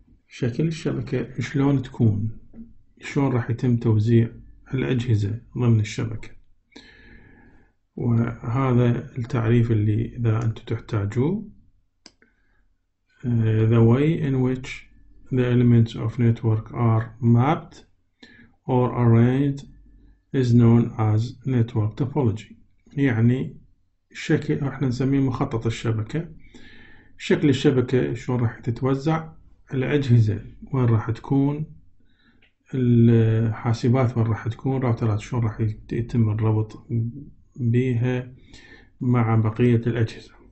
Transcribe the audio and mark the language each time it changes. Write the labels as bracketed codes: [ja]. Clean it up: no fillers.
[ar] شكل الشبكة شلون تكون، شلون راح يتم توزيع الأجهزة ضمن الشبكة، وهذا التعريف اللي إذا أنتم تحتاجوه. [en] The way in which the elements of network are mapped or arranged is known as network topology. [ar] يعني شكل، احنا نسميه مخطط الشبكة، شكل الشبكة شلون راح تتوزع، الأجهزة وين راح تكون، الحاسبات وين راح تكون، راوترات شلون راح يتم الربط بها مع بقية الأجهزة.